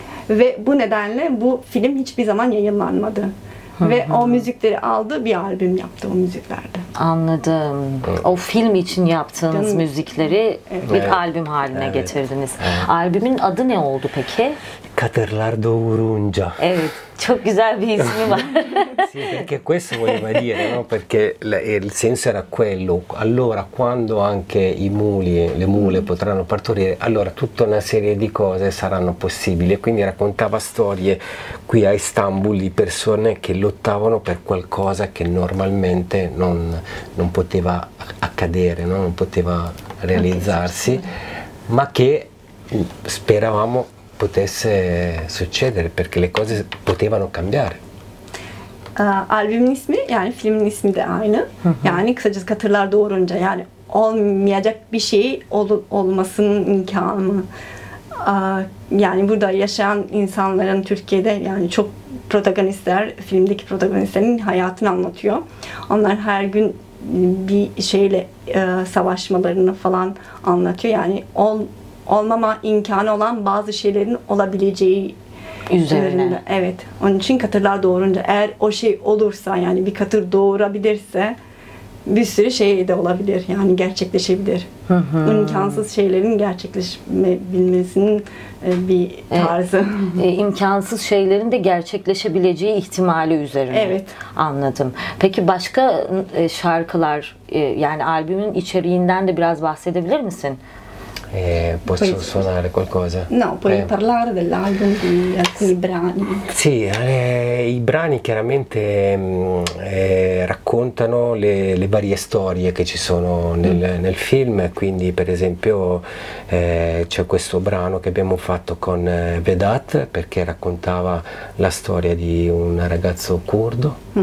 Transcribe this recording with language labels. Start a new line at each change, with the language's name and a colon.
Turkish: Ve bu nedenle bu film hiçbir zaman yayınlanmadı. Ve o müzikleri aldı, bir albüm yaptı o müziklerde. Anladım. O film için yaptığınız müzikleri bir albüm haline getirdiniz. Albümün adı ne oldu peki? Kadırlar Doğurunca. Evet. Çok güzel bir ismi var.
Italian: Perché questo voleva dire, no? Perché il senso era quello. Allora, quando anche i muli, le mule potranno partorire, allora tutta una serie di cose saranno possibili. Quindi raccontava storie qui a Istanbul di persone che lottavano per qualcosa che normalmente non poteva accadere, no? Non poteva realizzarsi, ma che speravamo potesse succedere, perché le cose potevano cambiare.
Turkish: Albümün ismi, yani filmin ismi de aynı. Yani kısacası Katırlar Doğurunca, yani olmayacak bir şey olmasının imkanı. Yani burada yaşayan insanların Türkiye'de, yani çok protagonistler, filmdeki protagonistlerin hayatını anlatıyor. Onlar her gün bir şeyle savaşmalarını falan anlatıyor. Yani olmama imkanı olan bazı şeylerin olabileceği üzerine. Evet. Onun için katırlar doğurunca, eğer o şey olursa, yani bir katır doğurabilirse bir sürü şey de olabilir. Yani gerçekleşebilir. Hı hı. İmkansız şeylerin gerçekleşebilmesinin bir tarzı. İmkansız şeylerin de gerçekleşebileceği ihtimali üzerine. Evet. Anladım. Peki başka şarkılar, yani albümün içeriğinden de biraz bahsedebilir misin?
Italian: Posso suonare qualcosa? No, puoi parlare dell'album, di alcuni brani. Sì, i brani chiaramente raccontano le varie storie che ci sono nel film. Quindi, per esempio, c'è questo brano che abbiamo fatto con Vedat, perché raccontava la storia di un ragazzo curdo.